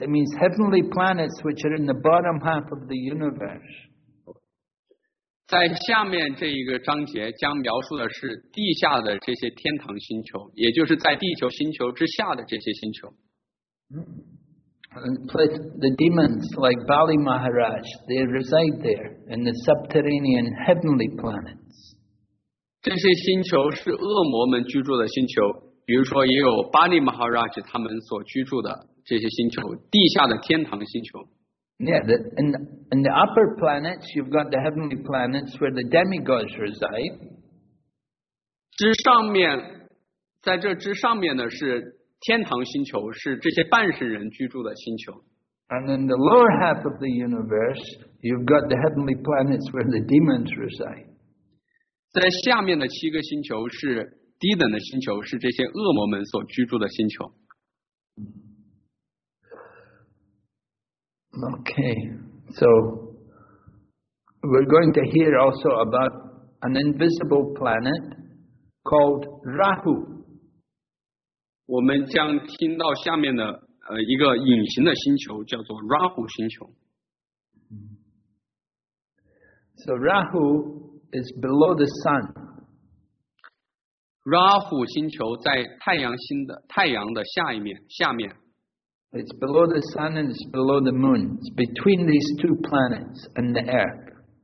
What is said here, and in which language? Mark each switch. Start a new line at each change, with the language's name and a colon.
English: It means heavenly planets which are in the bottom half of the universe.
Chinese: 在下面这一个章节将描述的是地下的这些天堂星球，也就是在地球星球之下的这些星球。
English: The demons like Bali Maharaj, they reside there in the subterranean heavenly planets.
Chinese: 这些星球是恶魔们居住的星球，比如说也有巴利马哈拉吉他们所居住的这些星球，地下的天堂星球。
English: Yeah, in the upper planets, you've got the heavenly planets where the demigods reside.
Chinese: 之上面，在这之上面呢是天堂星球，是这些半神人居住的星球。
English: And in the lower half of the universe, you've got the heavenly planets where the demons reside.
Chinese: 在下面的七个星球是低等的星球，是这些恶魔们所居住的星球。
English: Okay, so we're going to hear also about an invisible planet called Rahu.
Chinese: 我们将听到下面的一个隐形的星球叫做 Rahu 星球。
English: So Rahu. Is below the sun.
Chinese: Rahu 星球在太阳的下面。
English: It's below the sun and it's below the moon. It's between these two planets and the earth.